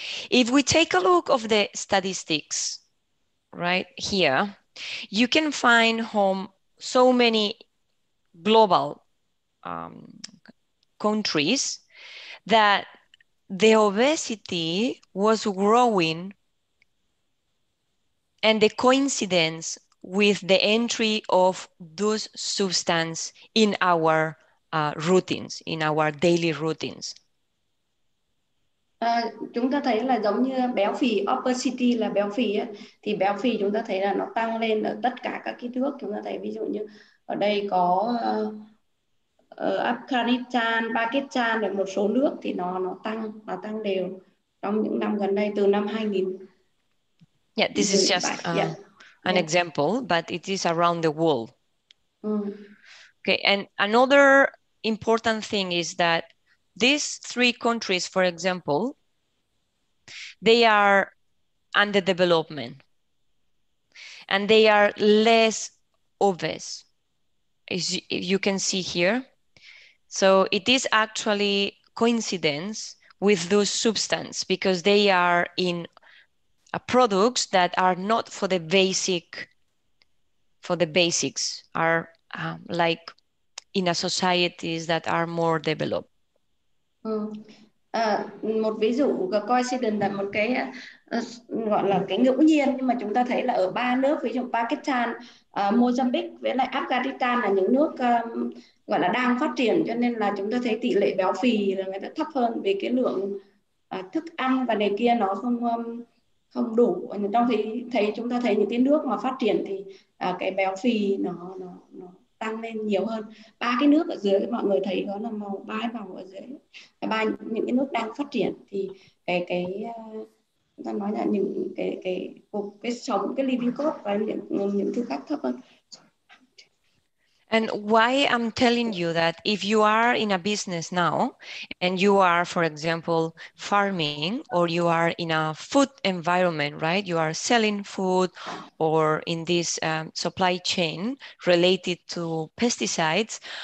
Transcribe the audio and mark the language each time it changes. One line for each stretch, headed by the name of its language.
English: If we take a look of the statistics right here, you can find home so many global countries that the obesity was growing, and the coincidence with the entry of those substances in our routines, in our daily routines.
Vietnamese: Chúng ta thấy là giống như béo phì, obesity là béo phì ấy, thì béo phì chúng ta thấy là nó tăng lên ở tất cả các cái thước. Chúng ta thấy ví dụ như ở đây có ở Afghanistan, Pakistan và một số nước thì nó tăng đều trong những năm gần đây từ năm 2000.
English: Yeah, this is just an example, but it is around the world. Mm. Okay, and another important thing is that these three countries, for example, they are under development and they are less obvious, as you can see here. So it is actually coincidence with those substances because they are in products that are not for the basic, for the basics, are like in a societies that are more developed.
Vietnamese: Một ví dụ của coincidence là một cái gọi là cái ngẫu nhiên, nhưng mà chúng ta thấy là ở ba nước, ví dụ Pakistan, Mozambique với lại Afghanistan là những nước gọi là đang phát triển, cho nên là chúng ta thấy tỷ lệ béo phì là người ta thấp hơn về cái lượng thức ăn và này kia nó không đủ. Trong khi thấy chúng ta thấy những cái nước mà phát triển thì cái béo phì nó tăng lên nhiều hơn. Ba cái nước ở dưới mọi người thấy đó là màu ba vòng ở dưới. Ba những cái nước đang phát triển thì cái chúng ta nói là những cái cuộc cái sống cái living cost và những thứ khác thấp hơn.
English: And why I'm telling you that if you are in a business now and you are, for example, farming or you are in a food environment, right? You are selling food or in this supply chain related to pesticides.